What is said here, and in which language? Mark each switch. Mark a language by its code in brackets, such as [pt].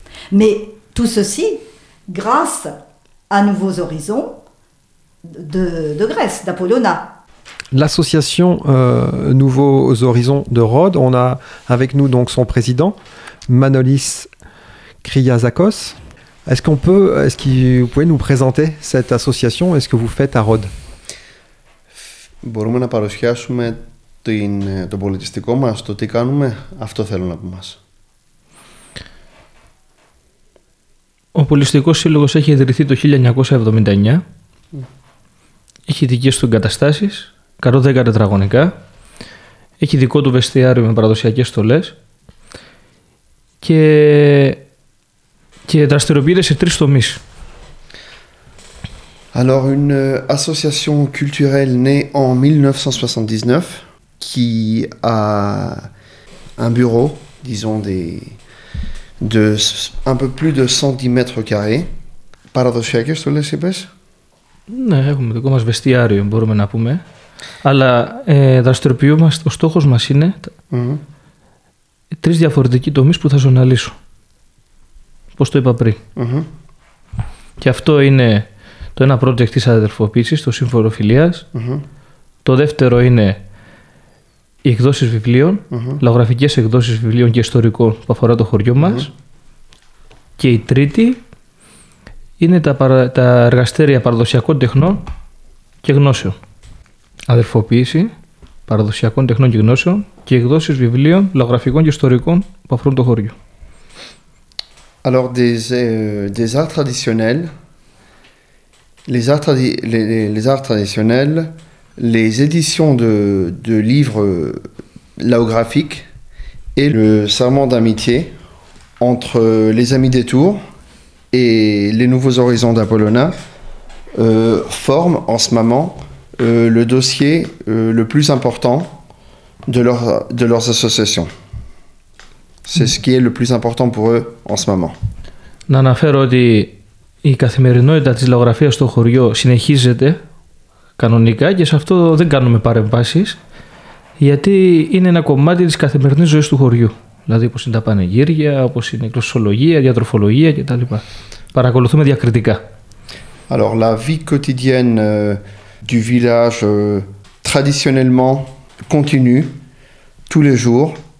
[fr] Mais tout ceci grâce à Nouveaux Horizons de Grèce, d'Apollona. L'association Nouveaux Horizons de Rhodes, on a avec nous donc son président, Manolis Kriazakos. Est-ce que vous pouvez nous présenter cette association et ce que vous faites à Rhodes? [el] Μπορούμε να παρουσιάσουμε το πολιτιστικό μας, το τι κάνουμε, αυτό θέλουν από μας. Ο Πολιτιστικός Σύλλογος έχει ιδρυθεί το 1979, έχει δικές του εγκαταστάσεις, 110 τετραγωνικά, έχει δικό του βεστιάριο με παραδοσιακές στολές και δραστηριοποιείται σε τρεις τομείς. [fr] Alors une association culturelle née en 1979 qui a un bureau, disons de un peu plus de 110 mètres carrés. Paradoxiaques, tu les sais? [el] Ναι, έχουμε δικό μας βεστιάριο, μπορούμε να πούμε. Αλλά δραστηριοποιούμαστε, ο στόχος μας είναι τρεις διαφορετικοί τομείς που θα ζωναλίσω. Πώς το είπα πριν. Mm-hmm. Και αυτό είναι το ένα project της αδερφοποίησης, το σύμφωνο φιλίας. Mm-hmm. Το δεύτερο είναι οι εκδόσεις βιβλίων, mm-hmm. λαογραφικές εκδόσεις βιβλίων και ιστορικών που αφορά το χωριό μας. Mm-hmm. Και η τρίτη είναι τα εργαστήρια παραδοσιακών τεχνών και γνώσεων. Αδερφοποίηση παραδοσιακών τεχνών και γνώσεων και εκδόσεις βιβλίων, λαογραφικών και ιστορικών που αφορούν το χωριό. [fr] Alors, des arts traditionnels, Les arts traditionnels, les éditions de livres laographiques et le serment d'amitié entre les Amis des Tours et les Nouveaux Horizons d'Apollona forment en ce moment le dossier le plus important de leurs associations. C'est ce qui est le plus important pour eux en ce moment. [el] Να αναφέρω ότι η καθημερινότητα της λαογραφίας στο χωριό συνεχίζεται κανονικά και σε αυτό δεν κάνουμε παρεμβάσεις, γιατί είναι ένα κομμάτι της καθημερινής ζωής του χωριού. Δηλαδή όπως είναι τα πανηγύρια, όπως είναι η γλωσσολογία, διατροφολογία κτλ. Παρακολουθούμε διακριτικά. [fr] Alors, la vie quotidienne du village traditionnellement continue tous les jours.